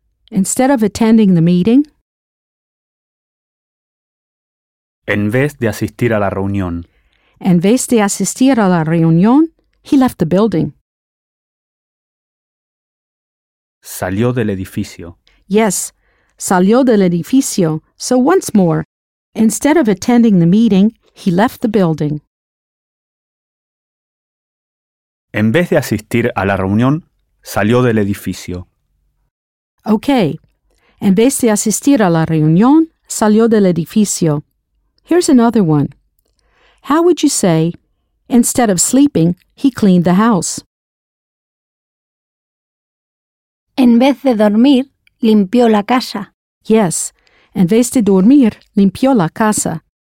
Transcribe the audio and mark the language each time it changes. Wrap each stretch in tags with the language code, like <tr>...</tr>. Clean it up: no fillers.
<en>Instead of attending the meeting,</en> <es>en vez de asistir a la reunión. En vez de asistir a la reunión,</es> <en>he left the building.</en> <es>Salió del edificio. Yes, salió del edificio.</es> <en>So once more, instead of attending the meeting, he left the building.</en> <es>En vez de asistir a la reunión, salió del edificio.</es> <en>Okay.</en> <es>En vez de asistir a la reunión, salió del edificio.</es> <en>Here's another one. How would you say, instead of sleeping, he cleaned the house?</en> <es>En vez de dormir, limpió la casa.</es> <en>Yes.</en> <es>En vez de dormir, limpió la casa.</es>